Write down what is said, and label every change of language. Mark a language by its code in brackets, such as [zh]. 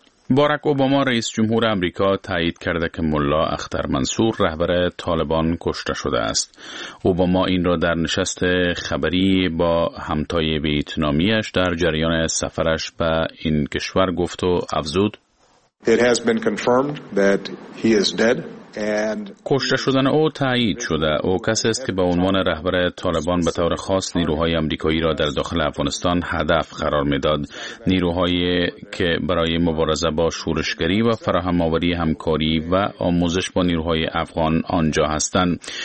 [fa] بارک اوباما رئیس جمهور آمریکا تایید کرده که ملا اختر منصور رهبر طالبان کشته شده است. اوباما این را در نشست خبری با همتای ویتنامیش در جریان سفرش به این کشور گفت و افزود: [en] It has been confirmed that he is dead. [fa] کشته شدن او تایید شده. او کسی است که به عنوان رهبر طالبان به طور خاص نیروهای آمریکایی را در داخل افغانستان هدف قرار می‌داد. نیروهایی که برای مبارزه با شورشگری و فراهم آوری همکاری و آموزش با نیروهای افغان آنجا هستند.